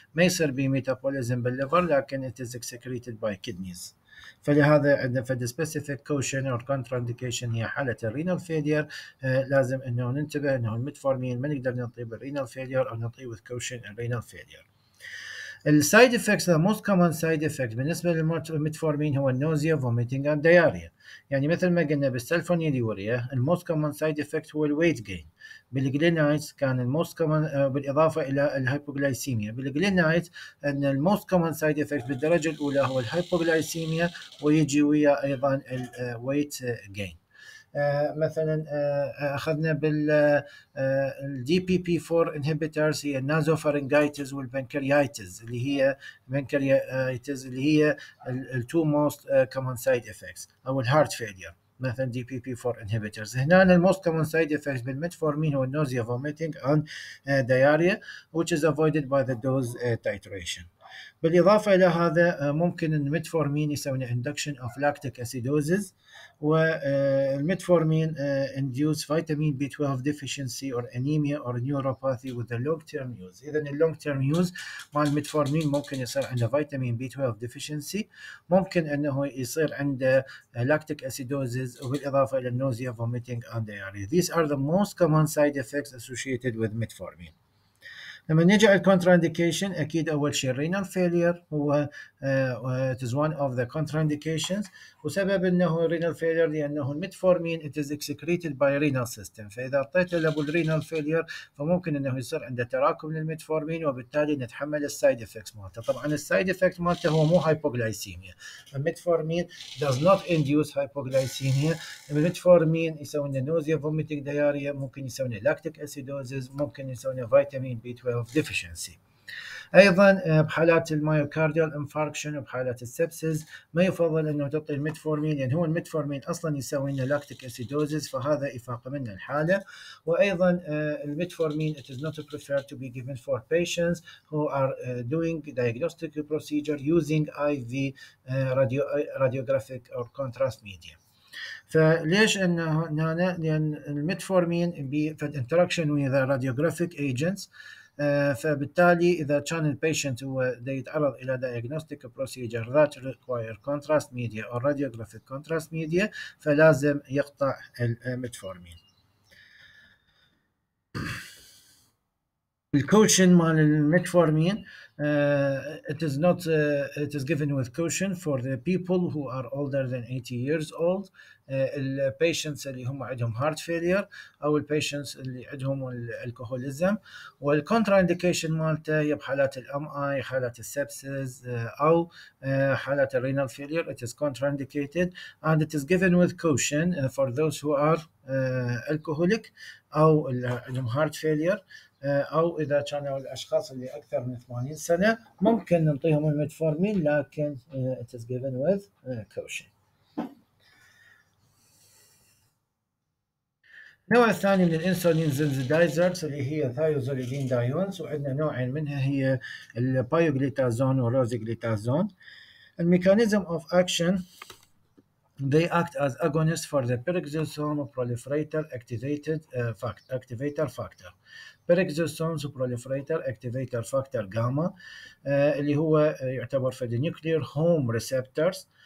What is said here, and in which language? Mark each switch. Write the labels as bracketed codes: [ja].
[ar] ما يصير بي metabolism بالليفر لكن [en] it is excreted by kidneys. [ar] فلهذا عندنا في [en] the specific caution or contraindication [ar] هي حالة renal failure لازم أنه ننتبه أنه الميتفورمين ما نقدر نطيب renal failure أو نطيب [en] with caution renal failure. [ar] السايد افكتس ذا موست كومن سايد افكت بالنسبه للميتفورمين هو النوزيا فوميتنج اند دياريا. يعني مثل ما قلنا بالسلفونيليوريا الموست كومن سايد افكت هو الويت جين. بالجلينايتس كان الموست كومن بالاضافه الى الهايبوغلايسيميا. بالجلينايتس ان الموست كومن سايد افكت بالدرجه الاولى هو الهايبوغلايسيميا ويجي وياه ايضا الويت جين. مثلا اخذنا بال دي بي بي 4 انهبيترز هي النازوفارينجايتس والبنكرياتيز اللي هي البنكرياتيز اللي هي التو موست كومن سايد افكتس او الهارت فيلير. مثلا دي بي بي 4 انهبيترز هنا الموست كومن سايد افكتس بالميتفورمين هو النوزيا فوميتنج اند دياريا [en] which is avoided by the dose titration. [ar] بالإضافة إلى هذا ممكن أن الميتفورمين يسوي [en] induction of lactic acidosis والميتفورمين induce vitamin B12 deficiency or anemia or neuropathy with the long term use. [ar] إذن [en] long term use [ar] مع الميتفورمين ممكن يصير عنده [en] vitamin B12 deficiency [ar] ممكن أنه يصير عنده [en] lactic acidosis [ar] وبالإضافة إلى [en] nausea, vomiting and diarrhea. These are the most common side effects associated with metformin. [ar] لما نجي على [en] contraindication [ar] أكيد أول شيء [en] renal failure هو it is one of the contraindications [ar] وسبب أنه [en] renal failure لأنه metformin it is excreted by renal system. [ar] فإذا أعطيت له renal failure فممكن أنه يصير عنده تراكم للmetformin وبالتالي نتحمل السايد effects مالته. طبعا السايد effect مالته هو مو hypoglycemia. [en] metformin does not induce hypoglycemia. metformin [ar] يسوي لنا [en] nausea, vomiting, diarrhea, [ar] ممكن يسوي لنا [en] lactic acidosis, ممكن يسوي لنا vitamin B12 of deficiency. [ar] ايضا بحالات المايوكارديال انفاركشن وبحالات السبسيز ما يفضل انه تعطي الميتفورمين لان هو الميتفورمين اصلا يسوي لنا لاكتيك اسيدوزس فهذا افاق منا الحاله. وايضا الميتفورمين [en] it is not preferred to be given for patients who are doing diagnostic procedure using IV radiographic or contrast media. [ar] فليش انه نانا لان الميتفورمين في الانتراكشن ويا ذا راديوغرافيك ايجنتس فبالتالي إذا كان البيشنت هو يتعرض إلى [en] diagnostic procedure that require contrast media [ar] or radiographic contrast media فلازم يقطع الميتفورمين. الكوشن مال الميتفورمين [en] it is given with caution for the people who are older than 80 years old. [ar] الpatients اللي هم عندهم heart failure او الpatients اللي عندهم الالكوهوليزم. والcontraindication مالته هي بحالات الMI حالات السبسيز او حالات الرينال failure [en] it is contraindicated and it is given with caution for those who are alcoholic [ar] او عندهم heart failure او اذا كانوا الاشخاص اللي اكثر من 80 سنة ممكن نعطيهم الميتفورمين لكن [en] it is given with caution. [ar] النوع الثاني من الانسولين سنسيتايزرز اللي هي ثايوزولين دايونز وعندنا نوعين منها هي البايوغليتازون وروزغليتازون. [en] الميكانيزم of action they act as agonists for the peroxisome proliferator activated activator factor. Peroxisome proliferator activator factor gamma [ar] اللي هو يعتبر في [en] the nuclear home receptors.